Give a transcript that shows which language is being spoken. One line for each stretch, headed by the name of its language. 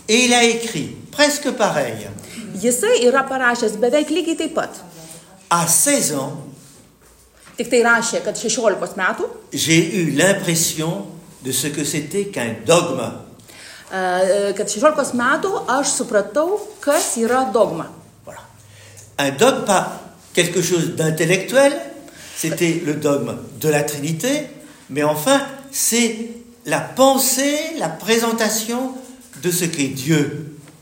French: Et il a écrit, presque pareil.
Lithuanian: Jisai yra parašęs beveik lygiai taip pat.
French: À 16 ans,
Lithuanian: tik tai rašė, kad 16 metų,
French: j'ai eu l'impression de ce que c'était qu'un dogme.
Lithuanian: Kad 16 metų aš supratau, kas yra dogma.
French: Voilà. Un dogma, quelque chose d'intellectuel, c'était le dogme de la Trinité, mais enfin, c'est la pensée, la présentation de ce qu'est Dieu.